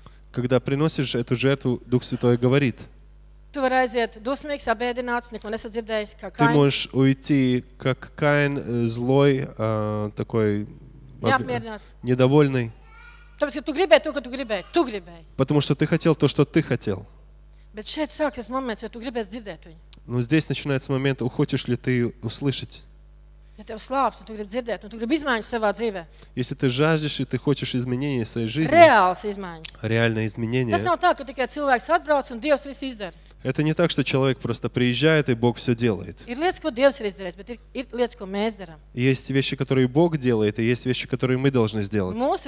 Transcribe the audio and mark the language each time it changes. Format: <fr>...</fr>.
<ru>Когда приносишь эту жертву, Дух Святой говорит.</ru> <lv>Tu var aiziet dusmīgs, abēdināts, neko nesadzirdējis, kā Kains.</lv> <ru>Ты можешь уйти, как Каин, злой, такой недовольный.</ru> <lv>Tāpēc, ka tu gribēji to, ko tu gribēji. Tu gribēji.</lv> <ru>Потому что ты хотел то, что ты хотел.</ru> <lv>Bet šeit sākas moments, vai tu gribēsi dzirdēt viņu.</lv> <ru>Ну, здесь начинается момент, хочешь ли ты услышать.</ru> <lv>Ja tev slāps, un tu gribi dzirdēt, un tu gribi izmaiņas savā dzīvē.</lv> <ru>Если ты жаждешь, и ты хочешь изменения в своей жизни.</ru> <lv>Reāls izmaiņas.</lv> <ru>Реальное изменение.</ru> <lv>Tas nav tā, ka tikai cilvēks atbrauc, un Dievs visu izdara.</lv> <ru>Это не так, что человек просто приезжает, и Бог все делает. Есть вещи, которые Бог делает, и есть вещи, которые мы должны сделать.</ru>